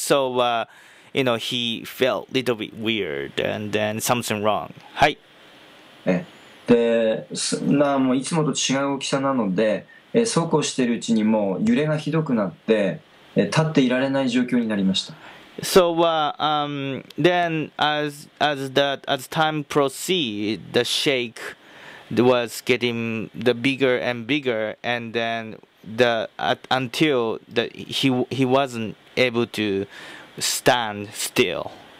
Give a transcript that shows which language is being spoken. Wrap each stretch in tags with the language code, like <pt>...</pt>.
<en>So, you know, he felt a little bit weird and then something wrong.</en> <ja>はい。でなもういつもと違う大きさなので、そうこうしているうちにもう揺れがひどくなって、立っていられない状況になりました。</ja> <en>So, then as time proceeded, the shake was getting the bigger and bigger, and then until that he wasn't able to stand still.</en>